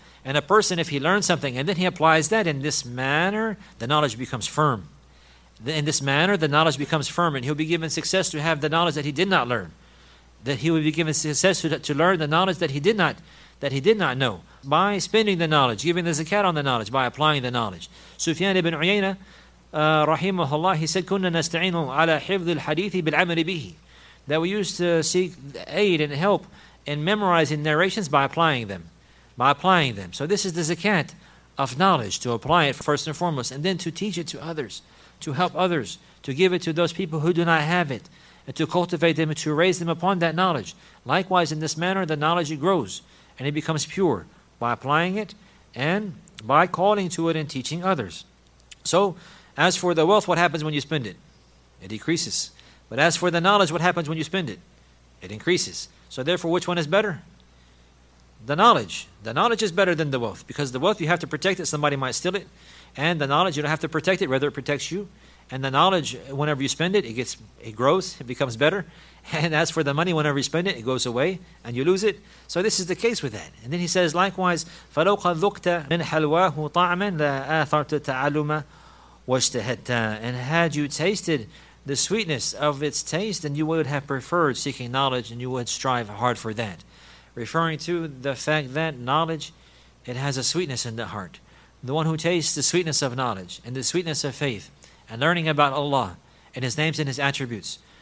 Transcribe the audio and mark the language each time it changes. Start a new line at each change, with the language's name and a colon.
English: And a person, if he learns something, and then he applies that in this manner, the knowledge becomes firm. In this manner, the knowledge becomes firm, and he'll be given success to have the knowledge that he did not learn. That he will be given success to learn the knowledge that he did not know. By spending the knowledge, giving the zakat on the knowledge, by applying the knowledge.
Arabic: Sufyan ibn Uyayna, rahimahullah, he said, كُنَّ نَسْتَعِينُ عَلَى حِفْظِ الْحَدِيثِ بِالْعَمَلِ بِهِ.
English: That we used to seek aid and help in memorizing narrations by applying them. By applying them. So this is the zakat of knowledge, to apply it first and foremost, and then to teach it to others, to help others, to give it to those people who do not have it, and to cultivate them and to raise them upon that knowledge. Likewise, in this manner, the knowledge grows and it becomes pure by applying it and by calling to it and teaching others. So as for the wealth, what happens when you spend it? It decreases. But as for the knowledge, what happens when you spend it? It increases. So therefore, which one is better? The knowledge. The knowledge is better than the wealth. Because the wealth, you have to protect it. Somebody might steal it. And the knowledge, you don't have to protect it. Rather, it protects you. And the knowledge, whenever you spend it, it grows. It becomes better. And as for the money, whenever you spend it, it goes away. And you lose it. So this is the case with that.
Arabic: And then he says, likewise, فَلَوْ قَذُقْتَ مِنْ حَلْوَاهُ طَعْمًا لَآثَرْتَ تَعَلُّمَ وَاشْتَهَدْتَ.
English: And had you tasted the sweetness of its taste, and you would have preferred seeking knowledge, and you would strive hard for that. Referring to the fact that knowledge, it has a sweetness in the heart. The one who tastes the sweetness of knowledge, and the sweetness of faith, and learning about Allah, and His names and His attributes,